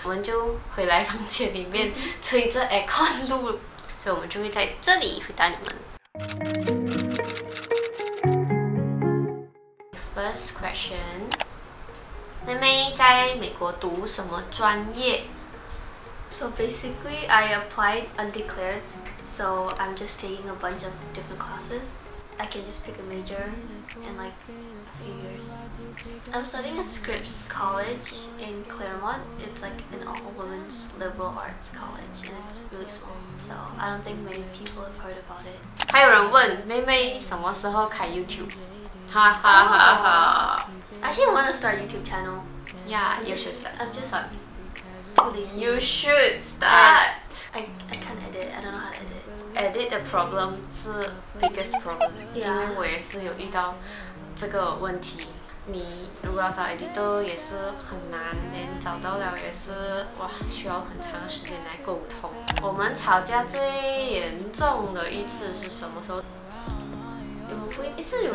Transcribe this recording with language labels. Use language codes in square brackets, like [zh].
[zh] 我们就回来房间里面吹着 aircon 录，所以我们就会在这里回答你们。 [en] First question， [zh] 妹妹在美国读什么专业？ [en] So basically, I applied undeclared, so I'm just taking a bunch of different classes. I can just pick a major in like a few years. I'm studying at Scripps College in Claremont. It's like an all-women's liberal arts college, and it's really small, so I don't think many people have heard about it. [zh] 还有人问妹妹什么时候开 YouTube? Ha ha ha ha. [en] Actually, I want to start a YouTube channel. Yeah, you should start. I'm just... You should start. I can't edit. I don't know how to edit. Edit the problem is biggest problem. Yeah. [zh] 因为我也是有遇到这个问题。你如果要找 editor 也是很难，连找到了也是哇，需要很长时间来沟通。我们吵架最严重的一次是什么时候？有不一次有